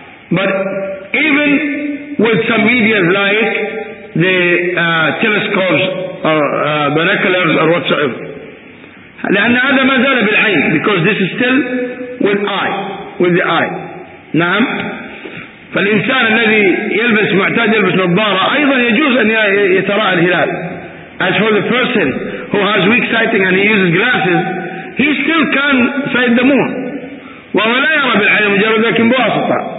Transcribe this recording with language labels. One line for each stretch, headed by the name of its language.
English: But even with some media like the telescopes or binoculars or whatsoever.
Arabic: لأن هذا ما زال بالعين
English: because this is still with eye, with the eye.
Arabic: نعم. فالإنسان الذي يلبس معتاد يلبس نظارة أيضا يجوز أن يتراءى الهلال.
English: As for the person who has weak sighting and he uses glasses, he still can sight the moon
Arabic: وهو لا يرى بالعين مجرد لكن بواسطة.